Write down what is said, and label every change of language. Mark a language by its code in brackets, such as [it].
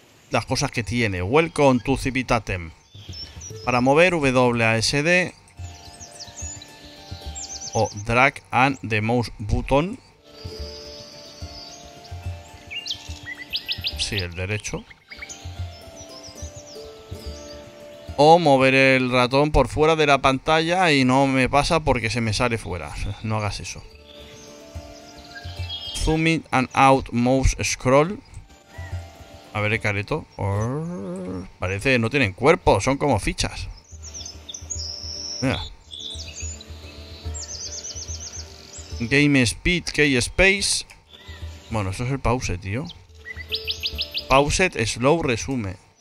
[es] Las cosas que tiene. [en] Welcome to Civitatem. [es] Para mover WASD o [en] drag and the mouse button. [es] Sí, el derecho. O mover el ratón por fuera de la pantalla y no me pasa porque se me sale fuera. No hagas eso. [en] Zoom in and out mouse scroll. [es] A ver, el careto. Parece que no tienen cuerpo, son como fichas. Mira. [en] Game Speed, Key Space. [es] Bueno, eso es el pause, tío. [en] Pause, slow, resume.